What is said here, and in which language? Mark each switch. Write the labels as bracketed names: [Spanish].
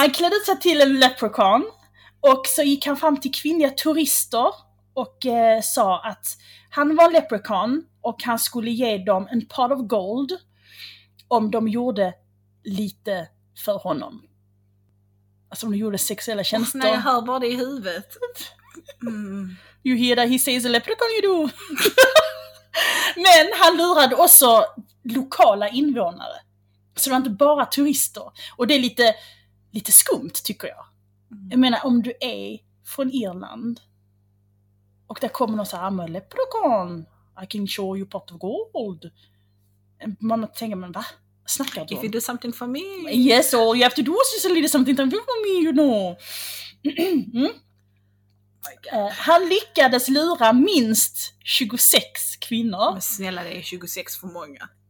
[Swedish] Han klädde sig till en leprechaun. Och så gick han fram till kvinnliga turister. Och sa att han var leprechaun. Och han skulle ge dem en [English] pot of gold. [Swedish] Om de gjorde lite för honom. Alltså om de gjorde sexuella tjänster. Nej, jag hör bara det i huvudet. Mm. [English] You hear that he says a leprechaun, you do. [Swedish] Men han lurade också lokala invånare. Så det var inte bara turister. Och det är lite skumt tycker jag. Jag menar, om du är från Irland och där kommer någon såhär med leprechaun, [English] I can show you pot of gold. [Swedish] Man tänker, men va? Snackar du? [English] If you do something for me. Yes, all you have to do is just a little something for me, you know. Mm. My God. [Swedish] Han lyckades lura minst 26 kvinnor. Men snälla, det är 26 för många.